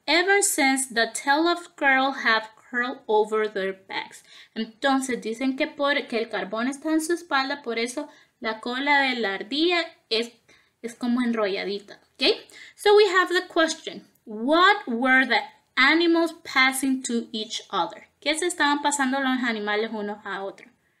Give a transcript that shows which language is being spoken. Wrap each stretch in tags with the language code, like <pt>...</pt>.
<en>Ever since the tail of girl have curled over their backs.</en> <es>Entonces dicen que porque el carbón está en su espalda, por eso la cola de la ardilla es como enrolladita, okay?</es> <en>So we have the question. What were the animals passing to each other?</en> <es>¿Qué se estaban pasando los animales unos a otros?</es>